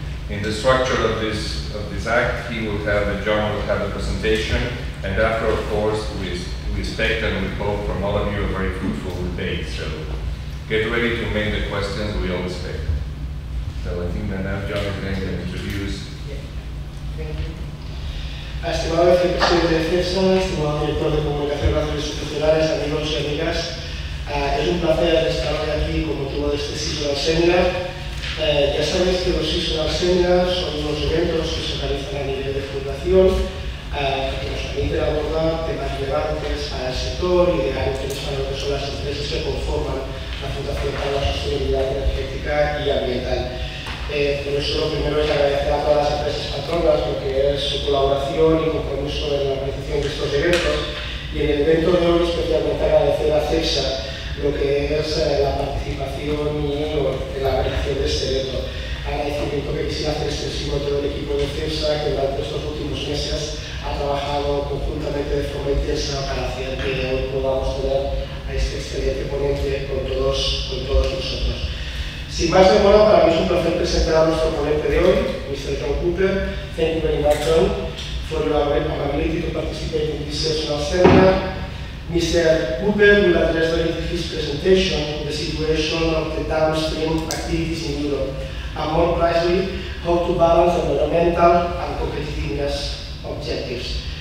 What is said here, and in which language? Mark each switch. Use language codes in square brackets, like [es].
[en] In the structure of this act, John will have a presentation, and after, of course, we expect and we hope from all of you a very fruitful debate. So get ready to make the questions we always expect. So I think that now John is going to introduce. [es] Estimado vicepresidente de CEPSA, estimado director de comunicación y relaciones institucionales, amigos y amigas, es un placer estar hoy aquí con motivo de este ciclo de seminar. Ya sabéis que los ciclos de seminar son unos eventos que se realizan a nivel de fundación que nos permiten abordar temas relevantes para el sector y de áreas para lo que son las empresas que conforman la Fundación para la Sostenibilidad Energética y Ambiental. Por eso lo primero es agradecer a todas las empresas patronas lo que es su colaboración y compromiso en la organización de estos eventos. Y en el evento de hoy especialmente agradecer a CEPSA lo que es la participación y la organización de este evento. Agradecimiento que quisiera hacer extensivo a todo el equipo de CEPSA que durante estos últimos meses ha trabajado conjuntamente de forma intensa para hacer que hoy podamos tener a este excelente ponente con todos nosotros. Sin más demora, para mí es un placer presentar a nuestro ponente de hoy, Mr. John Cooper. [en] Thank you very much, John, for your availability to participate in this seminar. Mr. Cooper will address during his presentation the situation of the downstream activities in Europe, and more precisely, how to balance environmental and competitiveness objectives.